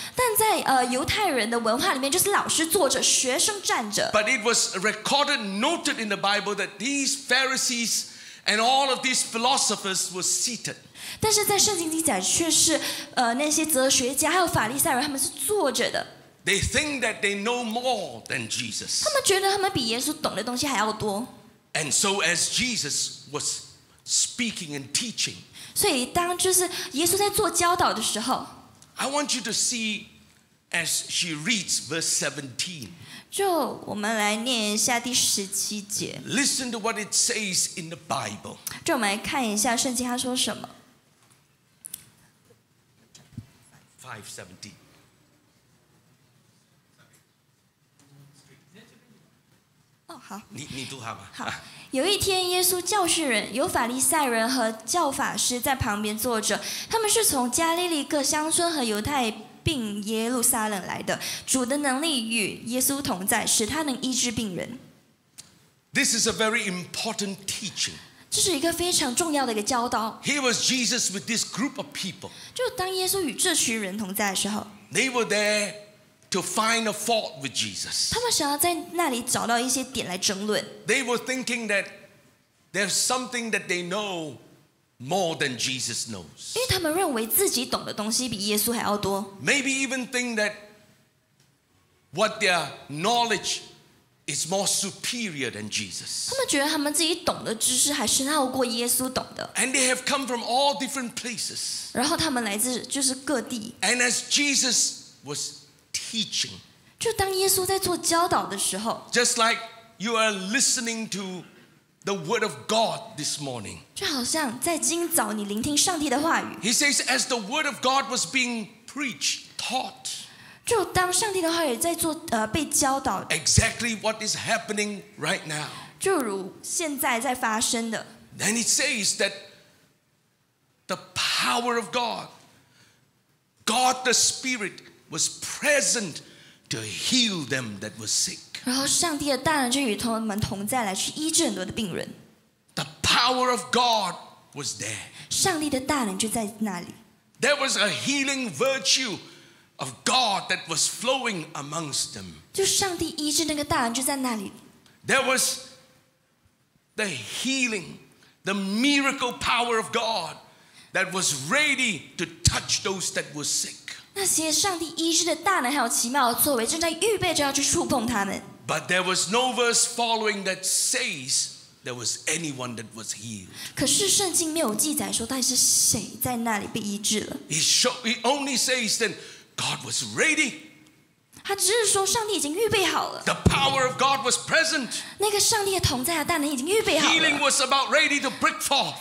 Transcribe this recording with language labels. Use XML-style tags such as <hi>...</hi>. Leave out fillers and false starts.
<zh>但在犹太人的文化里面，就是老师坐着，学生站着。</zh> <en>But it was recorded, noted in the Bible that these Pharisees and all of these philosophers were seated.</en> <zh>但是在圣经里讲，却是那些哲学家还有法利赛人，他们是坐着的。</zh> <en>They think that they know more than Jesus.</en> <zh>他们觉得他们比耶稣懂的东西还要多。</zh> <en>And so as Jesus was speaking and teaching,</en> <zh>所以当就是耶稣在做教导的时候</zh> <en>，I want you to see as she reads verse 17.</en> <zh>就我们来念一下第十七节。</zh> <en>Listen to what it says in the Bible.</en> <zh>就我们来看一下圣经他说什么。 517. 哦，好。你读好吧。好，有一天，耶稣教训人，有法利赛人和教法师在旁边坐着，他们是从加利利各乡村和犹太并耶路撒冷来的。主的能力与耶稣同在，使他能医治病人。</zh> <en>This is a very important teaching.</en> <zh>这是一个非常重要的一个教导。</zh> <en>Here was Jesus with this group of people.</en> <zh>就当耶稣与这群人同在的时候</zh> <en>，They were there to find a fault with Jesus.</en> <zh>他们想要在那里找到一些点来争论。</zh> <en>They were thinking that There's something that they know more than Jesus knows.</en> <zh>因为他们认为自己懂的东西比耶稣还要多。</zh> <en>Maybe even think that what their knowledge is more superior than Jesus.</en> <zh>他们觉得他们自己懂的知识还深奥过耶稣懂的。</zh> <en>And they have come from all different places.</en> <zh>然后他们来自就是各地。</zh> <en>And as Jesus was teaching,</en> <zh>就当耶稣在做教导的时候</zh> <en>，just like you are listening to. The word of God this morning.</en> <zh>就好像在今早你聆听上帝的话语。</zh> <en>He says, as the word of God was being preached, taught.</en> <zh>就当上帝的话语在做被教导。</zh> <en>Exactly what is happening right now.</en> <zh>就如现在在发生的。</zh> <en>Then he says that the power of God, God the Spirit, was present to heal them that were sick.</en> <zh>然后上帝的大能就与他们同在，来去医治很多的病人。</zh> <en>The power of God was there.</en> <zh>上帝的大能就在那里。</zh> <en>There was a healing virtue of God that was flowing amongst them.</en> <zh>就上帝医治那个大能就在那里。</zh> <en>There was the healing, the miracle power of God that was ready to touch those that were sick.</en> <zh>那些上帝医治的大能还有奇妙的作为，正在预备着要去触碰他们。</zh> <en>But there was no verse following that says there was anyone that was healed.</en> <zh>可是圣经没有记载说到底是谁在那里被医治了。</zh> <en>He only says that God was ready.</en> <zh>他只是说上帝已经预备好了。</zh> <en>The power of God was present.</en> <zh>那个上帝的同在的大能已经预备好了。</zh> <en>Healing was about ready to break forth.</en>